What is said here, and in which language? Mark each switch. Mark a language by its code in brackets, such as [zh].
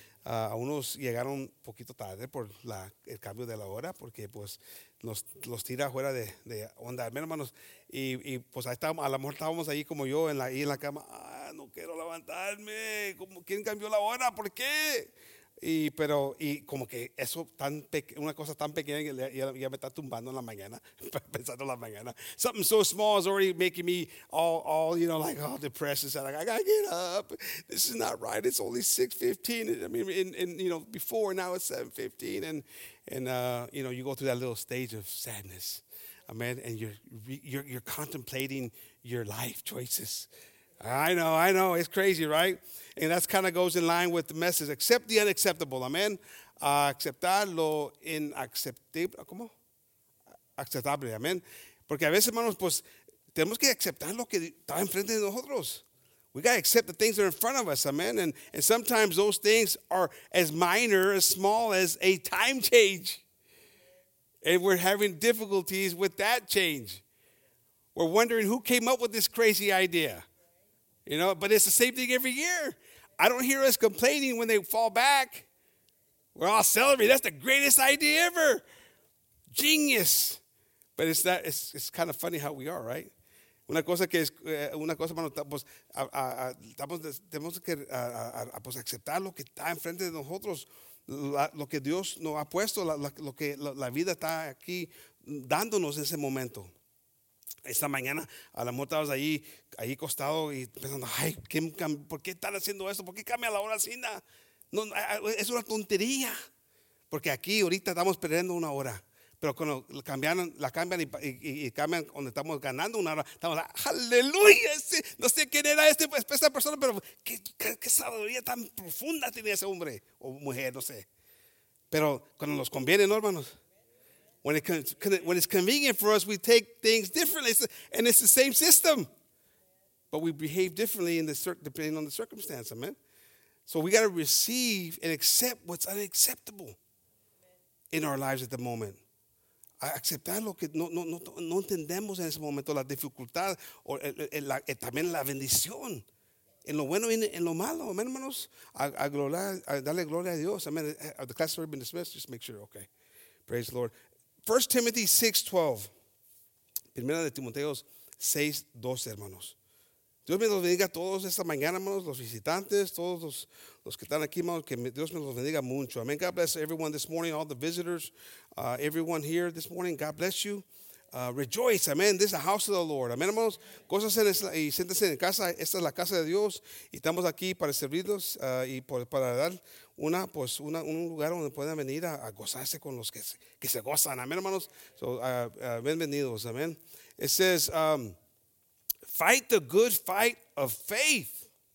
[es] A unos llegaron un poquito tarde por el cambio de la hora, porque pues los tira fuera de onda. Amén, hermanos. Y pues ahí estábamos, a lo mejor estábamos ahí como yo en la cama. Ah, no quiero levantarme. ¿Cómo, quién cambió la hora? ¿Por qué? Y como que eso tan una cosa tan pequeña que ya me está tumbando en la mañana, pensando en la mañana. [en] Something so small is already making me all you know, like all depressed. It's like, I gotta get up. This is not right. It's only 6:15. I mean, before, now it's 7:15. You go through that little stage of sadness. Amen. And you're contemplating your life choices. I know. It's crazy, right? And that kind of goes in line with the message. Accept the unacceptable. Amen. [es] Aceptar lo inaceptable. ¿Cómo? Aceptable. [en] Amen. [es] Porque a veces, hermanos, pues, tenemos que aceptar lo que está enfrente de nosotros. [en] We got to accept the things that are in front of us. Amen. And sometimes those things are as minor, as small as a time change. And we're having difficulties with that change. We're wondering who came up with this crazy idea. You know, but it's the same thing every year. I don't hear us complaining when they fall back. We're all celebrating. That's the greatest idea ever. Genius. But it's that. It's kind of funny how we are, right? [es] Una cosa, hermano, tenemos que aceptar lo que está enfrente de nosotros, lo que Dios nos ha puesto, lo que la vida está aquí dándonos ese momento. Esta mañana a la mota estabas ahí acostado y pensando, ay, ¿por qué están haciendo esto? ¿Por qué cambia la hora así? No, es una tontería. Porque aquí ahorita estamos perdiendo una hora. Pero cuando la cambian y cambian donde estamos ganando una hora, estamos, aleluya, no sé quién era esta persona, pero qué sabiduría tan profunda tenía ese hombre o mujer, no sé. Pero cuando nos conviene, ¿no, hermanos? [en] When it's convenient for us, we take things differently, and it's the same system, but we behave differently depending on the circumstance. Amen. So we got to receive and accept what's unacceptable in our lives at the moment. [es] Aceptar lo que no entendemos en ese momento, la dificultad o también la bendición. En lo bueno y en lo malo, amen, hermanos. A darle gloria a Dios. [en] Amen. The class has already been dismissed. Just make sure. Okay. Praise the Lord. [es] 1 Timothy 6:12. Primera de Timoteo 6:12, hermanos. Dios me los bendiga a todos esta mañana, hermanos, los visitantes, todos los que están aquí, hermanos, que Dios me los bendiga mucho. Amen. [en] God bless everyone this morning, all the visitors, everyone here this morning. God bless you. Rejoice, amen. This is the house of the Lord. Amen, hermanos. [es] Gózase y siéntese en casa. Esta es la casa de Dios. Y estamos aquí para servirlos y para dar un lugar donde puedan venir a gozarse con los que se gozan. Amen, hermanos. So, bienvenidos, amen. [en] It says, fight the good fight of faith.